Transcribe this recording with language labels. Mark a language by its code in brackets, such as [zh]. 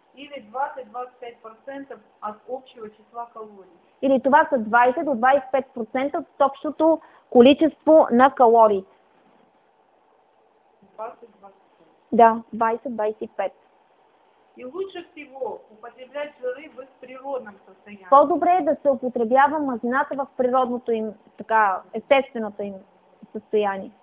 [ru] Или 20-25% от общего числа калорий. [bg] Или това са 20-25% от общото количество на калории. 20-25. Да, 20-25. [ru] И лучше всего употреблять жиры в природном состоянии. [bg] По-добре е да се употребява мазнината в природното им, така, естественото им състояние.